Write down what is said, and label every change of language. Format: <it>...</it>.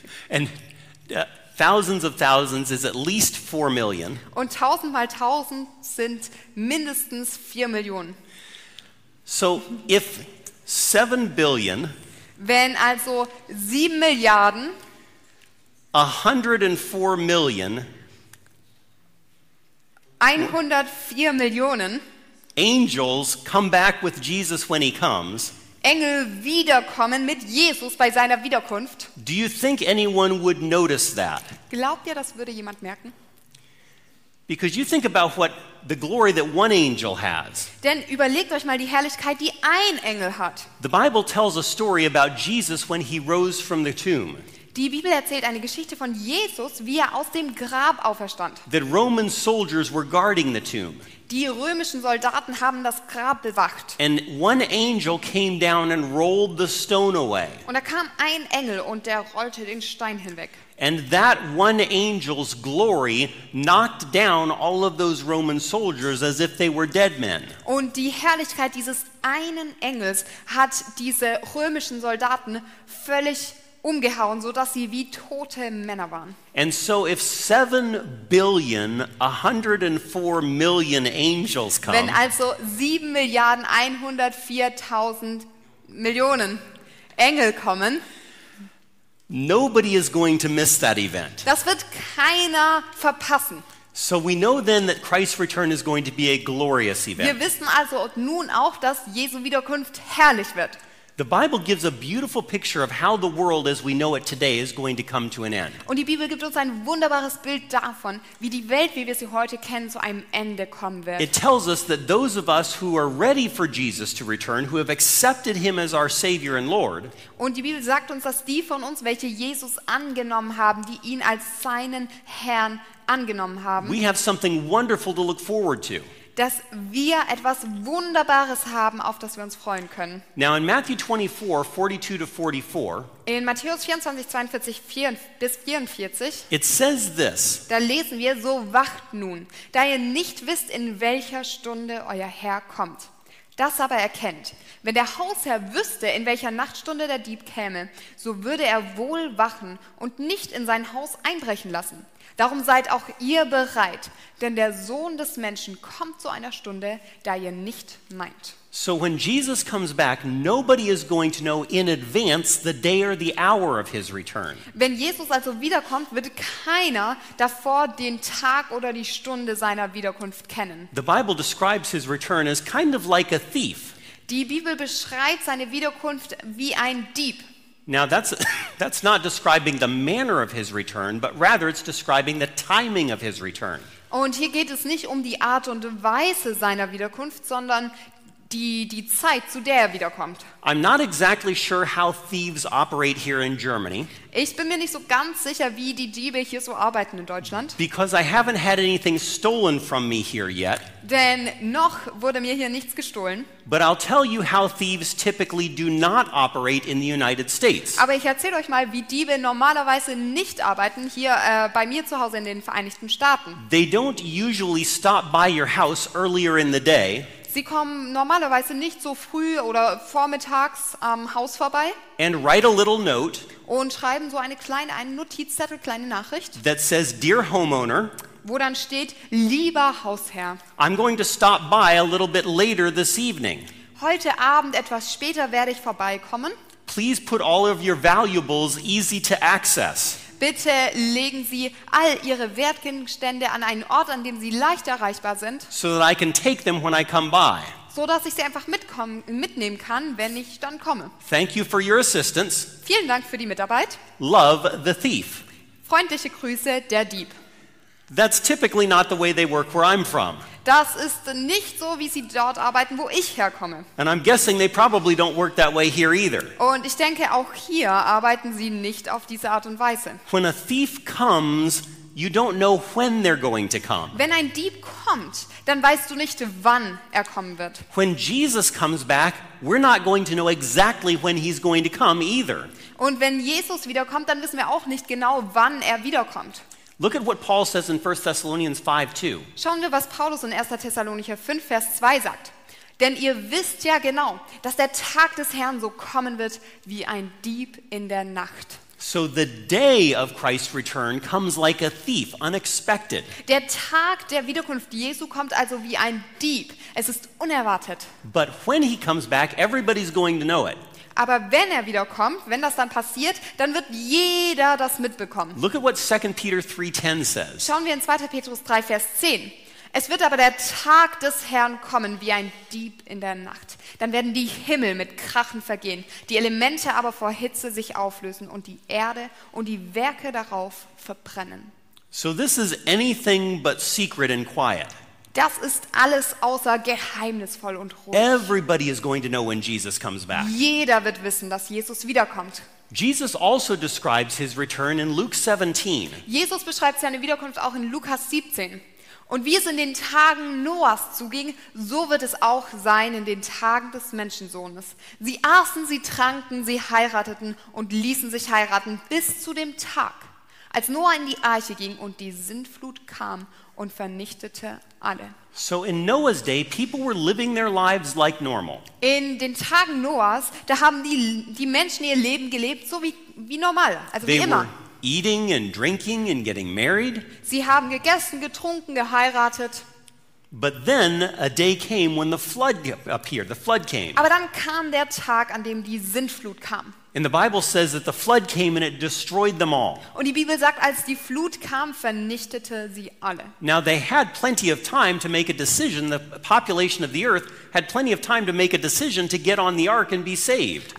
<en>And thousands of thousands is at least 4 million.</en> <de>Und 1,000 mal 1,000 sind mindestens 4 Millionen.</de> <en>So if 7 billion,</en> <de>wenn also 7 Milliarden,</de> <en>104 million,</en> <de>104 Millionen</de> <en>angels come back with Jesus when he comes,</en> <de>Engel wiederkommen mit Jesus bei seiner Wiederkunft.</de> <en>Do you think anyone would notice that?</en> <de>Glaubt ihr, das würde jemand merken?</de> <en>Because you think about what the glory that one angel has.</en> <de>Denn überlegt euch mal die Herrlichkeit, die ein Engel hat.</de> <en>The Bible tells a story about Jesus when he rose from the tomb.</en> <de>Die Bibel erzählt eine Geschichte von Jesus, wie er aus dem Grab auferstand.</de> <en>The Roman soldiers were guarding the tomb.</en> <de>Die römischen Soldaten haben das Grab bewacht.</de> <en>And one angel came down and rolled the stone away.</en> <de>Und da kam ein Engel und der rollte den Stein hinweg.</de> <en>And that one angel's glory knocked down all of those Roman soldiers as if they were dead men.</en> <de>Und die Herrlichkeit dieses einen Engels hat diese römischen Soldaten völlig umgehauen, so dass sie wie tote Männer waren.</de> <en>And so if 7 billion 104 million angels come,</en> <de>wenn also 7 Milliarden 104.000 Millionen Engel kommen,</de> <en>nobody is going to miss that event.</en> <de>Das wird keiner verpassen.</de> <en>So we know then that Christ's return is going to be a glorious event.</en> <de>Wir wissen also nun auch, dass Jesu Wiederkunft herrlich wird.</de> <en>The Bible gives a beautiful picture of how the world as we know it today is going to come to an end.</en> <de>Und die Bibel gibt uns ein wunderbares Bild davon, wie die Welt, wie wir sie heute kennen, zu einem Ende kommen wird.</de> <en>It tells us that those of us who are ready for Jesus to return, who have accepted him as our Savior and Lord,</en> <de>und die Bibel sagt uns, dass die von uns, welche Jesus angenommen haben, die ihn als seinen Herrn angenommen haben,</de> <en>we have something wonderful to look forward to.</en> <de>Dass wir etwas Wunderbares haben, auf das wir uns freuen können.</de> <en>Now in Matthew 24:42-44.</en> <de>In Matthäus 24:42-44.</de> <en>It says this.</en> <de>Da lesen wir: So wacht nun, da ihr nicht wisst, in welcher Stunde euer Herr kommt. Das aber erkennt. Wenn der Hausherr wüsste, in welcher Nachtstunde der Dieb käme, so würde er wohl wachen und nicht in sein Haus einbrechen lassen. Darum seid auch ihr bereit, denn der Sohn des Menschen kommt zu einer Stunde, da ihr nicht meint.</de> <en>So when Jesus comes back, nobody is going to know in advance the day or the hour of his return.</en> <de>Wenn Jesus also wiederkommt, wird keiner davor den Tag oder die Stunde seiner Wiederkunft kennen.</de> <en>The Bible describes his return as kind of like a thief.</en> <de>Die Bibel beschreibt seine Wiederkunft wie ein Dieb.</de> <en>Now that's not describing the manner of his return, but rather it's describing the timing of his return.</en> <de>Und hier geht es nicht um die Art und Weise seiner Wiederkunft, sondern die Zeit, zu der er wiederkommt.</de> <en>I'm not exactly sure how thieves operate here in Germany.</en> <de>Ich bin mir nicht so ganz sicher, wie die Diebe hier so arbeiten in Deutschland.</de> <en>Because I haven't had anything stolen from me here yet.</en> <de>Denn noch wurde mir hier nichts gestohlen.</de> <en>But I'll tell you how thieves typically do not operate in the United States.</en> <de>Aber ich erzähle euch mal, wie Diebe normalerweise nicht arbeiten hier bei mir zu Hause in den Vereinigten Staaten.</de> <en>They don't usually stop by your house earlier in the day.</en> <de>Sie kommen normalerweise nicht so früh oder vormittags am Haus vorbei.</de> <en>And write a little note.</en> <de>Und schreiben so einen Notizzettel, kleine Nachricht.</de> <en>That says, "Dear homeowner."</en> <de>Wo dann steht, lieber Hausherr.</de> <en>I'm going to stop by a little bit later this evening.</en> <de>Heute Abend etwas später werde ich vorbeikommen.</de> <en>Please put all of your valuables easy to access.</en> <de>Bitte legen Sie all Ihre Wertgegenstände an einen Ort, an dem Sie leicht erreichbar sind.</de> <en>So that I can take them when I come by.</en> <de>So dass ich sie einfach mitnehmen kann, wenn ich dann komme.</de> <en>Thank you for your assistance.</en> <de>Vielen Dank für die Mitarbeit.</de> <en>Love, the thief.</en> <de>Freundliche Grüße, der Dieb.</de> <en>That's typically not the way they work where I'm from.</en> <de>Das ist nicht so, wie sie dort arbeiten, wo ich herkomme.</de> <en>And I'm guessing they probably don't work that way here either.</en> <de>Und ich denke, auch hier arbeiten sie nicht auf diese Art und Weise.</de> <en>When a thief comes, you don't know when they're going to come.</en> <de>Wenn ein Dieb kommt, dann weißt du nicht, wann kommen wird.</de> <en>When Jesus comes back, we're not going to know exactly when he's going to come either.</en> <de>Und wenn Jesus wiederkommt, dann wissen wir auch nicht genau, wann wiederkommt.</de> <en>Look at what Paul says in 1 Thessalonians 5:2.</en> <de>Schauen wir, was Paulus in 1. Thessalonicher 5, Vers 2 sagt. Denn ihr wisst ja genau, dass der Tag des Herrn so kommen wird wie ein Dieb in der Nacht.</de> <en>So the day of Christ's return comes like a thief, unexpected.</en> <de>Der Tag der Wiederkunft Jesu kommt also wie ein Dieb. Es ist unerwartet.</de> <en>But when he comes back, everybody's going to know it.</en> <de>Aber wenn wiederkommt, wenn das dann passiert, dann wird jeder das mitbekommen.</de> <en>Look at what 2 Peter 3:10 says.</en> <de>Schauen wir in 2. Petrus 3, Vers 10. Es wird aber der Tag des Herrn kommen wie ein Dieb in der Nacht. Dann werden die Himmel mit Krachen vergehen, die Elemente aber vor Hitze sich auflösen und die Erde und die Werke darauf verbrennen.</de> <en>So this is anything but secret and quiet.</en> <de>Das ist alles außer geheimnisvoll und ruhig.</de> <en>Everybody is going to know when Jesus comes back.</en> <de>Jeder wird wissen, dass Jesus wiederkommt.</de> <en>Jesus also describes his return in Luke 17.</en> <de>Jesus beschreibt seine Wiederkunft auch in Lukas 17. Und wie es in den Tagen Noahs zuging, so wird es auch sein in den Tagen des Menschensohnes. Sie aßen, sie tranken, sie heirateten und ließen sich heiraten bis zu dem Tag, als Noah in die Arche ging und die Sintflut kam und vernichtete alle.</de> <en>So in Noah's day, people were living their lives like normal.</en> <de>In den Tagen Noahs, da haben die Menschen ihr Leben gelebt, so wie normal, also</de> <en>they</en> <de>wie immer.</de> <en>Eating and drinking and getting married.</en> <de>Sie haben gegessen, getrunken, geheiratet.</de> <en>But then a day came when the flood appeared. The flood came.</en> <de>Aber dann kam der Tag, an dem die Sintflut kam.</de> <en>And the Bible says that the flood came and it destroyed them all.</en> <de>Und die Bibel sagt, als die Flut kam, vernichtete sie alle.</de> <en>Now they had plenty of time to make a decision. The population of the earth had plenty of time to make a decision to get on the ark and be saved.</en>